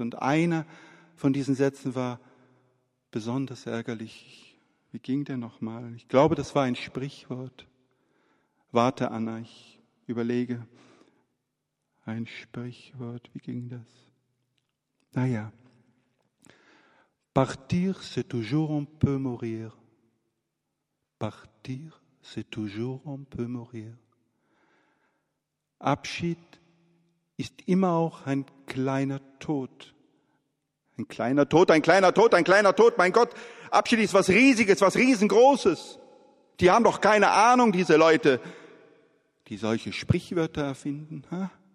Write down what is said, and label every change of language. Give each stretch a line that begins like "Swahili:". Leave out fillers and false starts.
German: Und einer von diesen Sätzen war, besonders ärgerlich. Wie ging der nochmal? Ich glaube, das war ein Sprichwort. Warte, Anna, ich überlege. Ein Sprichwort, wie ging das? Naja.
French: Partir, c'est toujours un peu mourir. Partir, c'est toujours un peu mourir.
German: Abschied ist immer auch ein kleiner Tod. Ein kleiner Tod, ein kleiner Tod, ein kleiner Tod. Mein Gott, Abschied ist was Riesiges, was Riesengroßes. Die haben doch keine Ahnung, diese Leute, die solche Sprichwörter erfinden. Ha?